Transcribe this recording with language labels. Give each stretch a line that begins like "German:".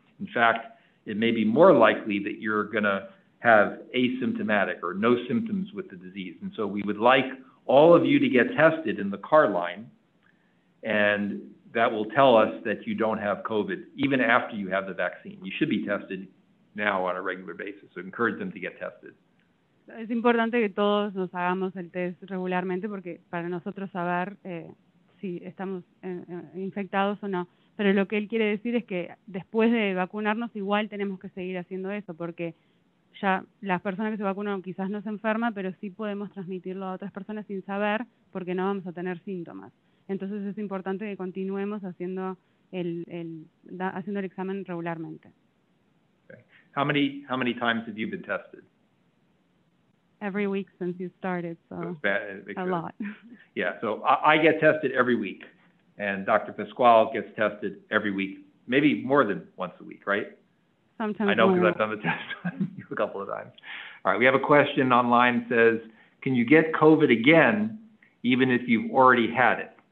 English: In fact, it may be more likely that you're going to have asymptomatic or no symptoms with the disease. And so we would like all of you to get tested in the car line, and that will tell us that you don't have COVID, even after you have the vaccine. You should be tested now on a regular basis. So encourage them to get tested.
Spanish: Es importante que todos nos hagamos el test regularmente porque para nosotros saber si estamos infectados o no. Pero lo que él quiere decir es que después de vacunarnos igual tenemos que seguir haciendo eso porque ya las personas que se vacunan quizás no se enferman, pero sí podemos transmitirlo a otras personas sin saber porque no vamos a tener síntomas. Entonces es importante que continuemos haciendo el examen regularmente.
English: Okay. How many times have you been tested? Every week since you started, so a lot. Yeah, so I get tested every week, and Dr. Pasquale gets tested every week, maybe more than once a week, right? Sometimes I know because I've done the test a couple of times. All right, we have a question online that says, can you get COVID again even if you've already had it?